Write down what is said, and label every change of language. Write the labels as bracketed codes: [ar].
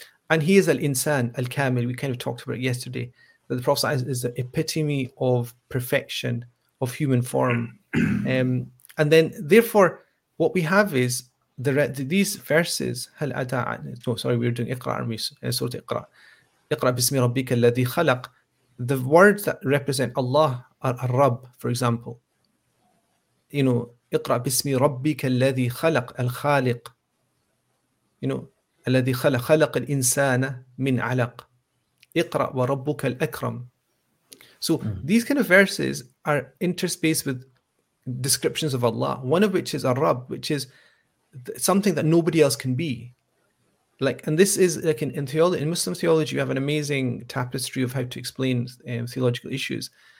[en] And He is al-insan, al-kamil. We kind of talked about it yesterday, that the Prophet ﷺ is the epitome of perfection, of human form. And then, therefore, what we have is, these verses, [ar] هل أتى عن, [en] no, sorry, we're doing إقرأ and سورة إقرأ. [ar] إقرأ بسم ربك الذي خلق. [en] The words that represent Allah are الرب, for example. You know, [ar] إقرأ بسم ربك الذي خلق الخالق. [en] You know, [ar] الذي خلق, خلق الإنسان من علق. إقرأ وربك الأكرم. [en] So these kind of verses are interspaced with descriptions of Allah, one of which is الرب, which is something that nobody else can be. Like, and this is like in theology, in Muslim theology, you have an amazing tapestry of how to explain theological issues.